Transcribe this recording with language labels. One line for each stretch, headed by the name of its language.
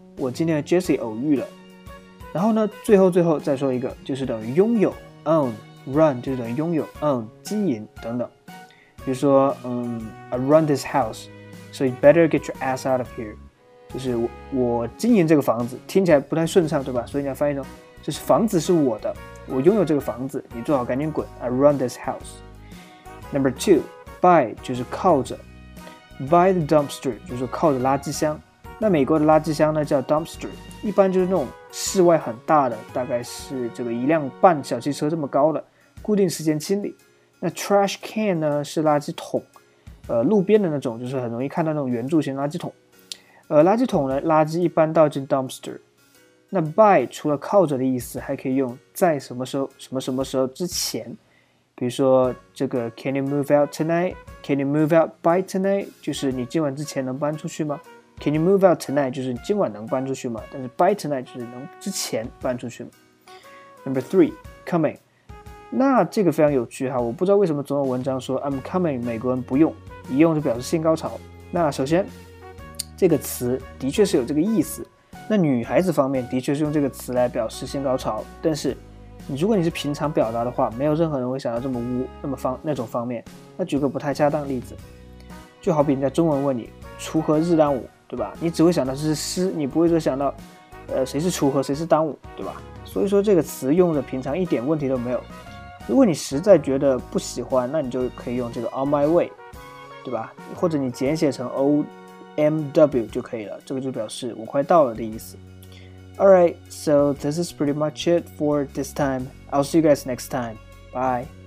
Chinese: 我今天和 Jesse 偶遇了。然后呢，最后再说一个，就是等于拥有 own。 run 就是等于拥有 own 经营等等。比如说，
English: I run this house, so you better get your ass out of here.
Chinese: 就是 我经营这个房子，听起来不太顺畅，对吧？所以你要翻译成，就是房子是我的，我拥有这个房子，你最好赶紧滚。
English: I run this house. Number two.
Chinese: By 就是靠着 ，by the dumpster 就是靠着垃圾箱。那美国的垃圾箱呢叫 dumpster， 一般就是那种室外很大的，大概是这个一辆半小汽车这么高的，固定时间清理。那 trash can 呢是垃圾桶，路边的那种，就是很容易看到那种圆柱形垃圾桶。垃圾桶呢，垃圾一般倒进 dumpster。那 by 除了靠着的意思，还可以用在什么时候、什么什么时候之前。比如说这个
English: Can you move out tonight? Can you move out by tonight?
Chinese: 就是你今晚之前能搬出去吗？
English: Can you move out tonight?
Chinese: 就是你今晚能搬出去吗？但是 by tonight 就是能之前搬出去吗？
English: Number three, coming.
Chinese: 那这个非常有趣哈，我不知道为什么总有文章说 I'm coming， 美国人不用，一用就表示性高潮。那首先这个词的确是有这个意思，那女孩子方面的确是用这个词来表示性高潮，但是如果你是平常表达的话，没有任何人会想到这么污那么方那种方面。那举个不太恰当的例子，就好比人家中文问你锄禾日当午，对吧？你只会想到是诗，你不会说想到谁是锄禾谁是当午，对吧？所以说这个词用的平常一点问题都没有。如果你实在觉得不喜欢，那你就可以用这个 on my way， 对吧？或者你简写成 OMW 就可以了，这个就表示我快到了的意思。
English: Alright, so this is pretty much it for this time. I'll see you guys next time. Bye.